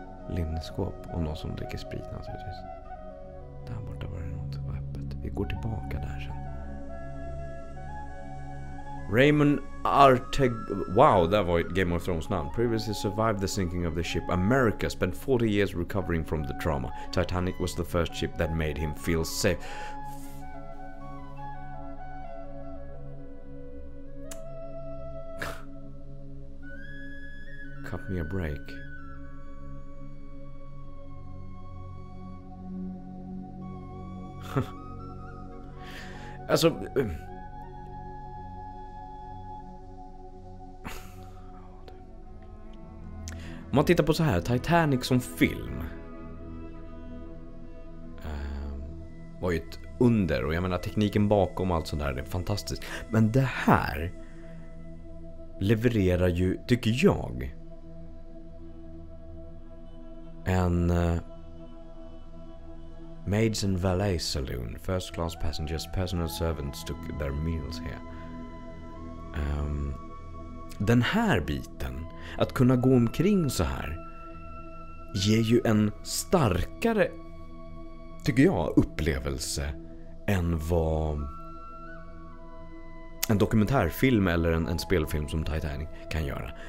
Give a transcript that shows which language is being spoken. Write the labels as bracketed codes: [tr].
[sv] Linneskåp och någon som dricker sprit naturligtvis. Där borta var det något öppet. Vi går tillbaka där sen. Raymond Arteg... Wow, där var Game of Thrones namn. [en] Previously survived the sinking of the ship. America spent 40 years recovering from the trauma. Titanic was the first ship that made him feel safe. Cut me a break. [sv] Alltså, om man tittar på så här, Titanic som film var ju ett under, och jag menar tekniken bakom allt sånt där är fantastiskt, men det här levererar ju, tycker jag, en [en] maids and valet saloon. First class passengers, personal servants took their meals here. [sv] Den här biten, att kunna gå omkring så här, ger ju en starkare, tycker jag, upplevelse än vad en dokumentärfilm eller en spelfilm som Titanic kan göra.